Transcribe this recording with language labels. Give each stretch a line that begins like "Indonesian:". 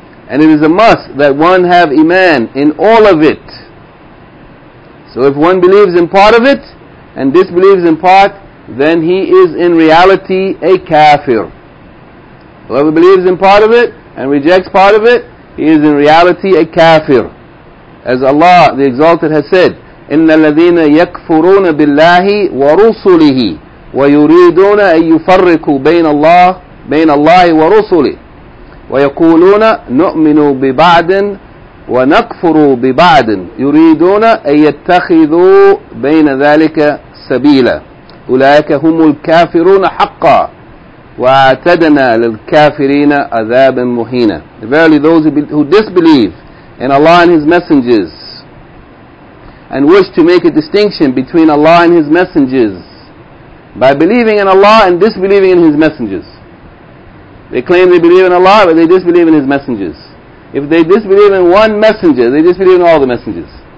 English: And it is a must that one have Iman in all of it. So if one believes in part of it and disbelieves in part, then he is in reality a kafir. Whoever believes in part of it and rejects part of it, he is in reality a kafir. As Allah the Exalted has said,
Arabic: إِنَّ الَّذِينَ يَكْفُرُونَ بِاللَّهِ وَرُسُلِهِ وَيُرِيدُونَ أَن يُفَرِّقُوا بَيْنَ اللَّهِ وَرُسُلِهِ وَيَقُولُونَ نُؤْمِنُ بِبَعْدٍ وَنَكْفُرُ بِبَعْدٍ يُرِيدُونَ أَن يَتَّخِذُوا بَيْنَ ذَلِكَ سَبِيلًا أُولَئِكَ هُمُ الْكَافِرُونَ حَقًّا وَأَعْتَدْنَا لِلْكَافِرِينَ عَذَابًا مُهِينًا.
English: Verily those who disbelieve in Allah and His messengers and wish to make a distinction between Allah and His messengers by believing in Allah and disbelieving in His messengers. They claim they believe in Allah, but they disbelieve in His messengers. If they disbelieve in one messenger, they disbelieve in all the messengers.